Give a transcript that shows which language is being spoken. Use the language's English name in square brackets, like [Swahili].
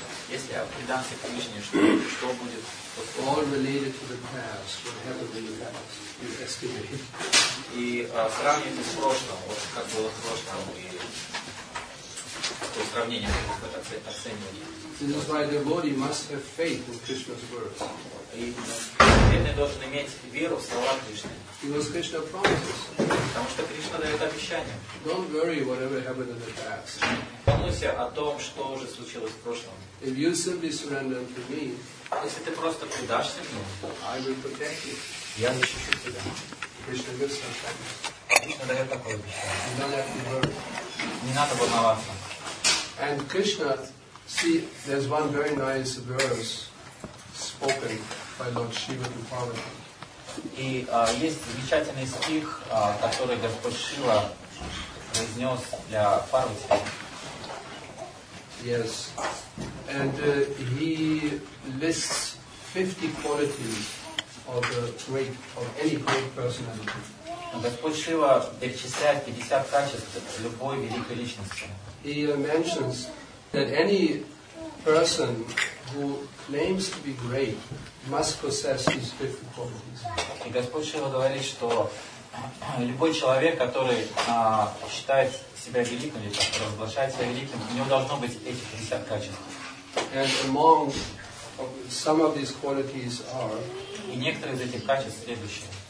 [Russian] Если я предам Всевышнему, что будет? [English] All related to the past, what happened in the past, you estimate. [Russian] И сравнивать с прошлым, вот как было в прошлом, и то сравнение, оценивание. [English] This is why the body must have faith in Krishna's words. [Russian] Преданный должен иметь веру в слова Кришны. [English] Because Krishna promises. [Russian] Потому что Кришна дает обещание. [English] Don't worry whatever happened in the past. [Russian] Помнись о том, что уже случилось в прошлом. [English] If you simply surrender to me, [Russian] если ты просто предашься мне, [English] I will protect you. [Russian] Я защищу тебя. Кришна дает такое обещание. Кришна дает такое обещание. [English] Don't have to worry. [Russian] Не надо волноваться. [English] And Krishna, see, there's one very nice verse spoken by Lord Shiva to Parvati. [Russian] И есть замечательный стих, который Господь Шива произнес для Парвати. [English] Yes. And he lists 50 qualities of a great, of any great personality. [Russian] Господь Шива перечисляет 50 качеств любой великой личности. [English] He mentions that any person who claims to be great must possess these 50 qualities. [Russian] И Господь Шива говорит, что любой человек, который считает себя великим или провозглашает себя великим, у него должно быть эти 50 качеств. [English] And among some of these qualities are. [Russian] И некоторые из этих качеств следующие.